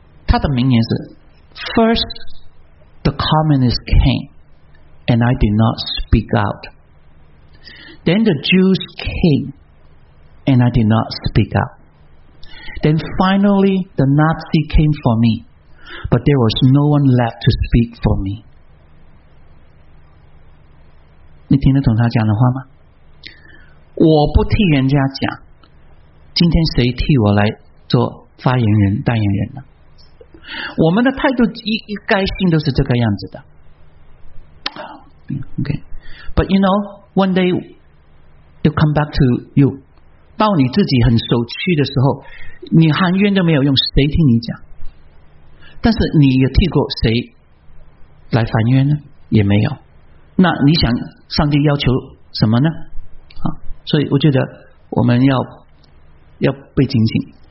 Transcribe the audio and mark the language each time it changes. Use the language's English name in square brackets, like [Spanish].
[Chinese] 他的名言是 [English] First the communists came and I did not speak out. Then the Jews came and I did not speak out. Then finally the Nazi came for me, but there was no one left to speak for me. [Chinese] 你听得懂他讲的话吗？我不替人家讲，今天谁替我来做发言人代言人呢？我们的态度一概性都是这个样子的。 [English] OK， but you know, one day it'll come back to you。 [Chinese] 到你自己很受屈的时候，你喊冤都没有用，谁听你讲？但是你也替过谁来喊冤呢？也没有。那你想上帝要求什么呢？啊，所以我觉得我们要被警醒。